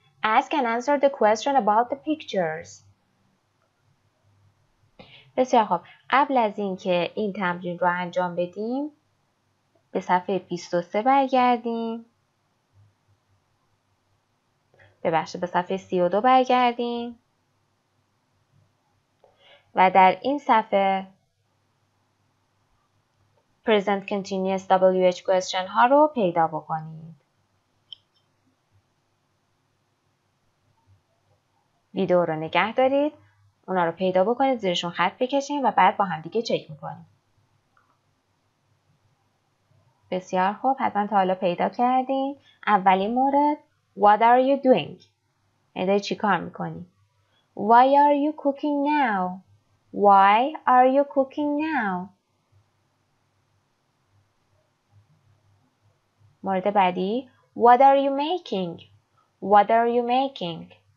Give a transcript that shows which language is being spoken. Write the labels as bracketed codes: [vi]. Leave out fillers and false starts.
[en] Ask and answer the question about the pictures. [fa] بسیار خوب. قبل از این که این تمرین رو انجام بدیم به صفحه 23 برگردیم. ببخشید به صفحه 32 برگردیم. و در این صفحه Present Continuous WH Question ها رو پیدا بکنید. ویدیو رو نگه دارید، اونا رو پیدا بکنید، زیرشون خط بکشید و بعد با هم دیگه چک میکنید. بسیار خوب، حتما تا حالا پیدا کردین. اولین مورد، [en] What are you doing؟ [fa] ایده چی کار میکنی؟ [en] Why are you cooking now؟ Why are you cooking now؟ [fa] مورد بعدی، [en] What are you making؟ What are you making؟